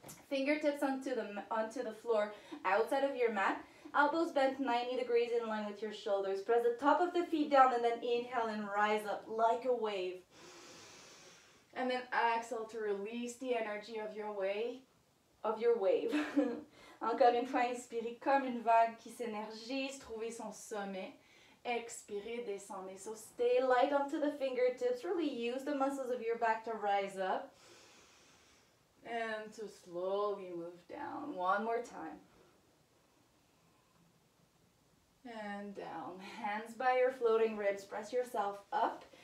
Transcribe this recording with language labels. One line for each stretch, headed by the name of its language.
English: Fingertips onto the floor, outside of your mat. Elbows bent 90 degrees in line with your shoulders. Press the top of the feet down and then inhale and rise up like a wave. And then exhale to release the energy of your wave.
French: Encore une fois, inspirez comme une vague qui s'énergise, trouvez son sommet. Expirez, descendez.
English: So stay light onto the fingertips. Really use the muscles of your back to rise up. And to slowly move down. One more time. And down. Hands by your floating ribs. Press yourself up.